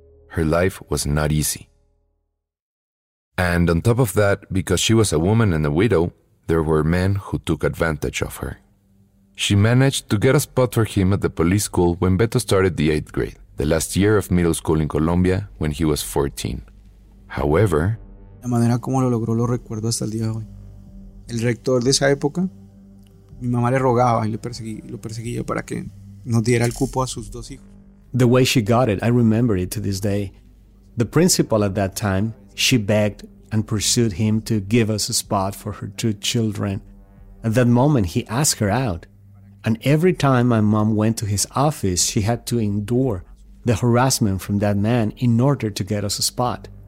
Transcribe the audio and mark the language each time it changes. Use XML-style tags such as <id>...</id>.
<en>Her life was not easy. And on top of that, because she was a woman and a widow, there were men who took advantage of her. She managed to get a spot for him at the police school when Beto started the 8th grade, the last year of middle school in Colombia, when he was 14. However,</en> <es>la manera como lo logró lo recuerdo hasta el día de hoy. El rector de esa época, mi mamá le rogaba y lo perseguía para que nos diera el cupo a sus dos hijos.</es> <en>The way she got it, I remember it to this day. The principal at that time, she begged and pursued him to give us a spot for her 2 children. At that moment, he asked her out. And every time my mom went to his office, she had to endure the harassment from that man in order to get us a spot.</en>